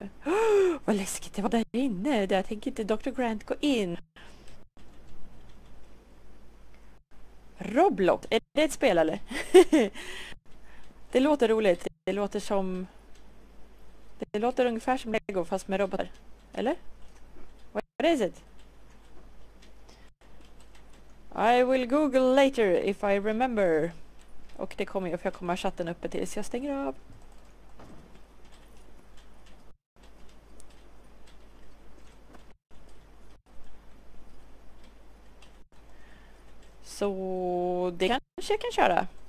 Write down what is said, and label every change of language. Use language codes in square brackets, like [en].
[sv] Oh, vad läskigt det var där inne. Där tänker inte Dr. Grant gå in. Roblox, är det ett spel eller? Det låter roligt. Det låter som... Det låter ungefär som Lego fast med robotar. [en] Eller? What is it? I will google later if I remember. [sv] Och det kommer jag, för jag kommer ha chatten uppe tills jag stänger av. Så det kanske jag kan köra.